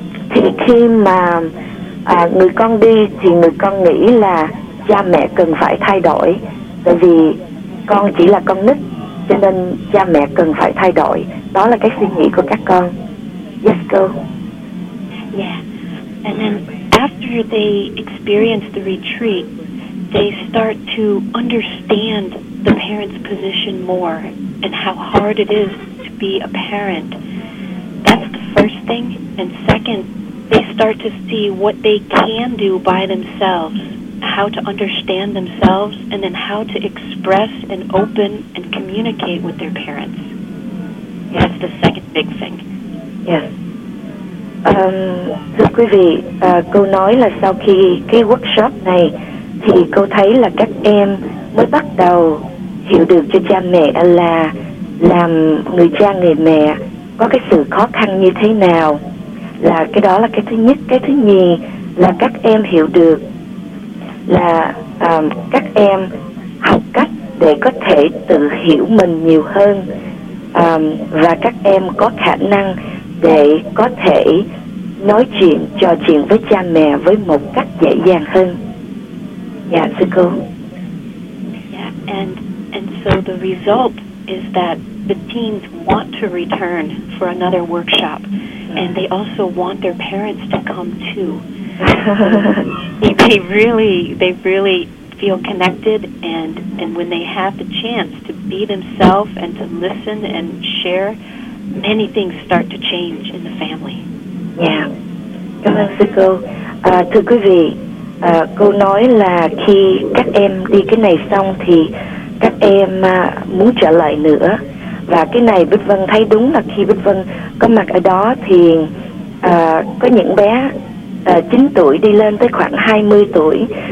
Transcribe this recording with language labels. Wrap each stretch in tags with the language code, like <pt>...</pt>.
<vi>Thì khi mà người con đi thì người con nghĩ là cha mẹ cần phải thay đổi, tại vì con chỉ là con nít cho nên cha mẹ cần phải thay đổi. Đó là cái suy nghĩ của các con.</vi> <en>Yes, cô. Yeah. And then after they experience the retreat, they start to understand the parent's position more and how hard it is to be a parent. That's the first thing. And second, they start to see what they can do by themselves, how to understand themselves, and then how to express and open and communicate with their parents. That's the second big thing. Yes.</en> <vi>Thưa quý vị, cô nói là sau khi cái workshop này thì cô thấy là các em mới bắt đầu hiểu được cho cha mẹ là làm người cha người mẹ có cái sự khó khăn như thế nào. Là cái đó là cái thứ nhất. Cái thứ nhì là các em hiểu được là các em học cách để có thể tự hiểu mình nhiều hơn, và các em có khả năng để có thể nói chuyện, trò chuyện với cha mẹ với một cách dễ dàng hơn. Dạ, sư cô.</vi> <en>Yeah, and so the result is that the teens want to return for another workshop, and they also want their parents to come too. They really feel connected, and when they have the chance to be themselves and to listen and share, many things start to change in the family. Yeah.</en> <vi>Cảm ơn sư cô. Thưa quý vị, cô nói là khi các em đi cái này xong thì các em muốn trở lại nữa. Và cái này Bích Vân thấy đúng là khi Bích Vân có mặt ở đó thì có những bé 9 tuổi đi lên tới khoảng 20 tuổi.</vi>